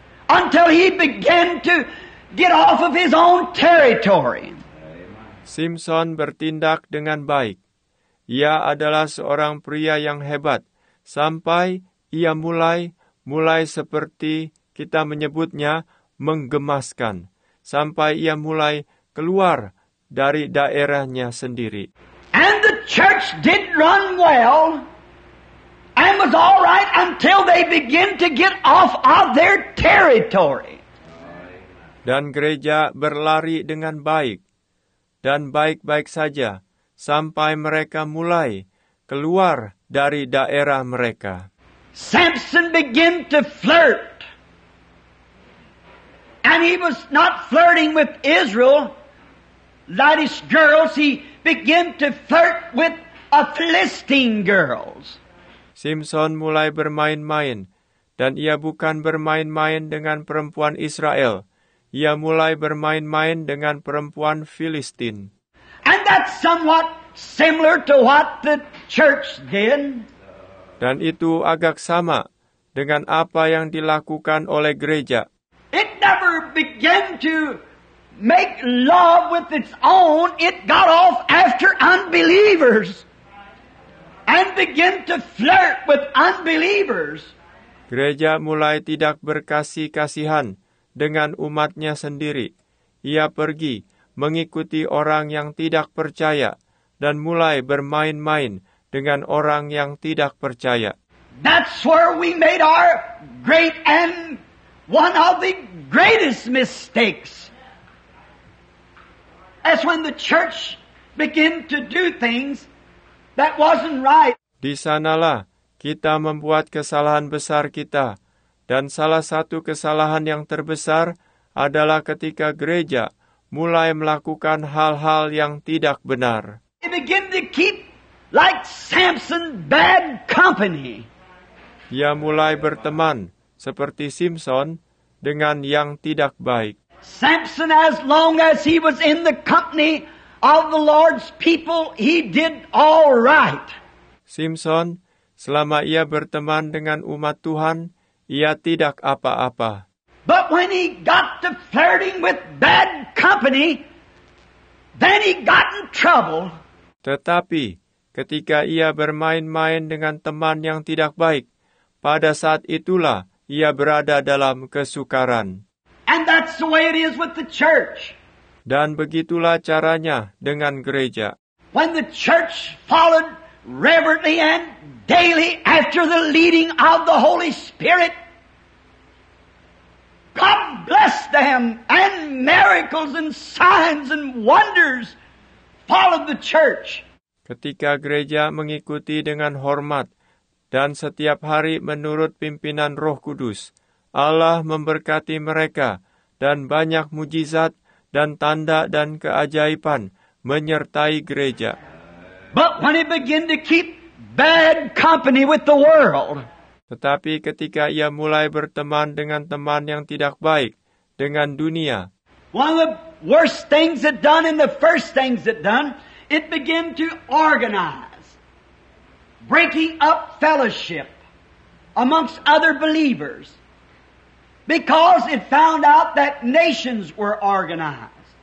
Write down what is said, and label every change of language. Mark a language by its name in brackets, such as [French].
[English] Until he began to get off of his own territory. [Indonesian] Samson bertindak dengan baik. Ia adalah seorang pria yang hebat. Sampai ia mulai seperti kita menyebutnya menggemaskan. Sampai ia mulai keluar dari daerahnya sendiri. [English] And the church did run well and was all right until they begin to get off of their territory. [Indonesian] Dan gereja berlari dengan baik dan baik-baik saja sampai mereka mulai keluar dari daerah mereka. [English] Samson began to flirt. And he was not flirting with Israel. That is girls. He began to flirt with a Philistine girls. [Indonesian] Samson mulai bermain-main. Dan ia bukan bermain-main dengan perempuan Israel. Ia mulai bermain-main dengan perempuan Filistin. [English] And that's somewhat similar to what the church did. [Indonesian] Dan itu agak sama dengan apa yang dilakukan oleh gereja. [English] It never began to make love with its own. It got off after unbelievers and began to flirt with unbelievers. [Indonesian] Gereja mulai tidak berkasih-kasihan dengan umatnya sendiri. Ia pergi mengikuti orang yang tidak percaya dan mulai bermain-main dengan orang yang tidak percaya. [English] That's where we made our great and one of the greatest mistakes. As when the church began to do things that wasn't right. [Indonesian] Di sanalah kita membuat kesalahan besar kita. Dan salah satu kesalahan yang terbesar adalah ketika gereja mulai melakukan hal-hal yang tidak benar. [English] They begin to keep, like Samson, bad company. [Indonesian] Ia mulai berteman, seperti Samson, dengan yang tidak baik. [English] Samson, as long as he was in the company of the Lord's people, he did all right. [Indonesian] Samson, selama ia berteman dengan umat Tuhan, ia tidak apa-apa. [English] But when he got to flirting with bad company, then he got in trouble. [Indonesian] Tetapi, ketika ia bermain-main dengan teman yang tidak baik, pada saat itulah ia berada dalam kesukaran. [English] And that's the way it is with the church. [Indonesian] Dan begitulah caranya dengan gereja. [English] When the church followed reverently and daily after the leading of the Holy Spirit, God blessed them, and miracles and signs and wonders followed the church. [Indonesian] Ketika gereja mengikuti dengan hormat dan setiap hari menurut pimpinan Roh Kudus, Allah memberkati mereka dan banyak mujizat dan tanda dan keajaiban menyertai gereja. [English] But when it began to keep bad company with the world, [Indonesian] Tetapi ketika ia mulai berteman dengan teman yang tidak baik, dengan dunia. [English] One of the worst things it done and the first things it done, it began to organize, breaking up fellowship amongst other believers. Because it found out that nations were organized.